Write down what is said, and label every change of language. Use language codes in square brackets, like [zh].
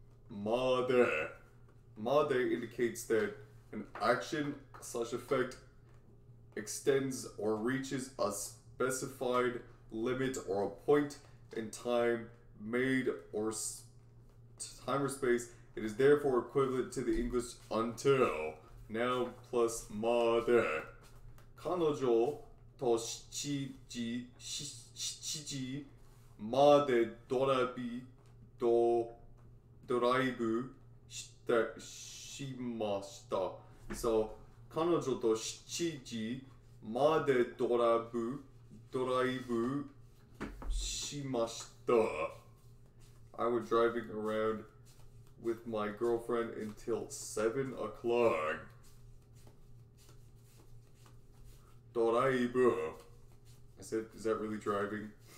[en] Made. Made indicates that an action slash effect extends or reaches a specified limit or a point in time made or time or space. It is therefore equivalent to the English until. Now plus made. [ja] 彼女と7時までドラビドドライブしてしました。 So, 彼女と7時までドラブドライブしました。 [en] I was driving around with my girlfriend until 7 o'clock. ドライブ。I said, is that really driving?